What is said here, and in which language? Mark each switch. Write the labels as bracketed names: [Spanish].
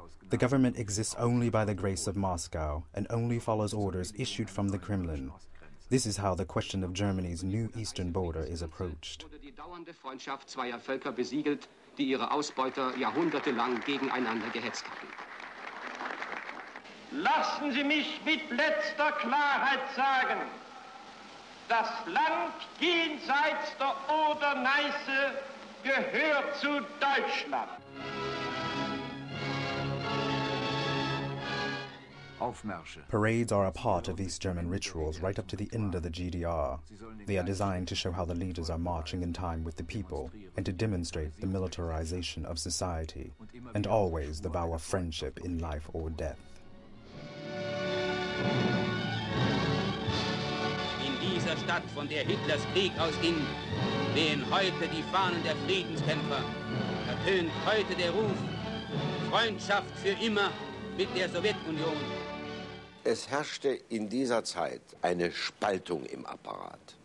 [English] The government exists only by the grace of Moscow and only follows orders issued from the Kremlin. This is how the question of Germany's new eastern border is approached. [German] Die dauernde Freundschaft zweier Völker besiegelt, die ihre Ausbeuter jahrhundertelang gegeneinander gehetzt hatten. Lassen Sie mich mit letzter Klarheit sagen, das Land jenseits der Oder-Neiße gehört zu Deutschland. [English] Parades are a part of East German rituals right up to the end of the GDR. They are designed to show how the leaders are marching in time with the people and to demonstrate the militarization of society and always the vow of friendship in life or death. [German] In dieser Stadt, von der Hitlers Krieg ausging, wehen heute die Fahnen der Friedenskämpfer. Ertönt heute der Ruf, Freundschaft für immer mit der Sowjetunion. Es herrschte in dieser Zeit eine Spaltung im Apparat.